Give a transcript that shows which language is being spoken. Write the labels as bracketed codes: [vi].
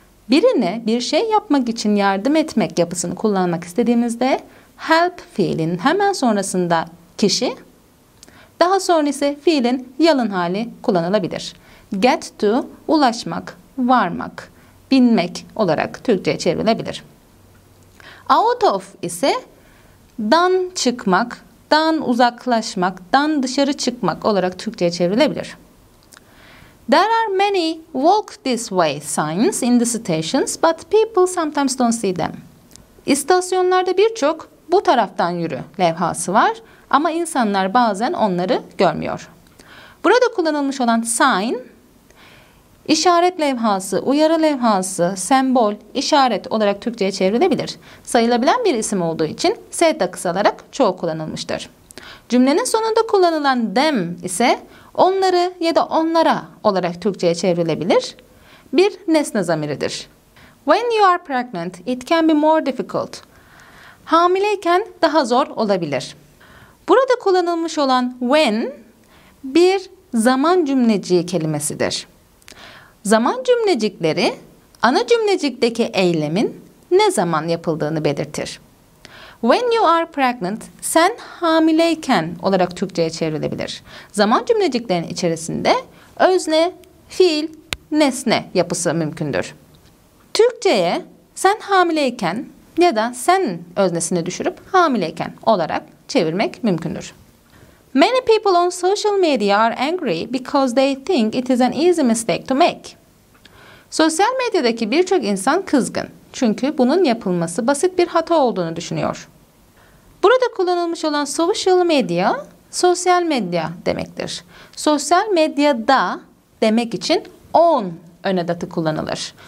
[tr] Birine bir şey yapmak için yardım etmek yapısını kullanmak istediğimizde help fiilin hemen sonrasında kişi, daha sonra ise fiilin yalın hali kullanılabilir. Get to ulaşmak, varmak, binmek olarak Türkçe'ye çevrilebilir. Out of ise dan çıkmak, dan uzaklaşmak, dan dışarı çıkmak olarak Türkçe'ye çevrilebilir. [en] There are many walk this way signs in the stations, but people sometimes don't see them. [tr] İstasyonlarda birçok bu taraftan yürü levhası var ama insanlar bazen onları görmüyor. Burada kullanılmış olan sign, işaret levhası, uyarı levhası, sembol, işaret olarak Türkçe'ye çevrilebilir. Sayılabilen bir isim olduğu için S da kısalarak çoğu kullanılmıştır. Cümlenin sonunda kullanılan them ise onları ya da onlara olarak Türkçe'ye çevrilebilir. Bir nesne zamiridir. [en] When you are pregnant, it can be more difficult. [tr] Hamileyken daha zor olabilir. Burada kullanılmış olan when bir zaman cümleciği kelimesidir. Zaman cümlecikleri ana cümlecikteki eylemin ne zaman yapıldığını belirtir. [en] When you are pregnant, [tr] sen hamileyken olarak Türkçe'ye çevrilebilir. Zaman cümleciklerin içerisinde özne, fiil, nesne yapısı mümkündür. Türkçe'ye sen hamileyken ya da sen öznesini düşürüp hamileyken olarak çevirmek mümkündür. [en] Many people on social media are angry because they think it is an easy mistake to make. [tr] Sosyal medyadaki birçok insan kızgın çünkü bunun yapılması basit bir hata olduğunu düşünüyor. Burada kullanılmış olan social media, sosyal medya demektir. Sosyal medyada demek için on ön edatı kullanılır.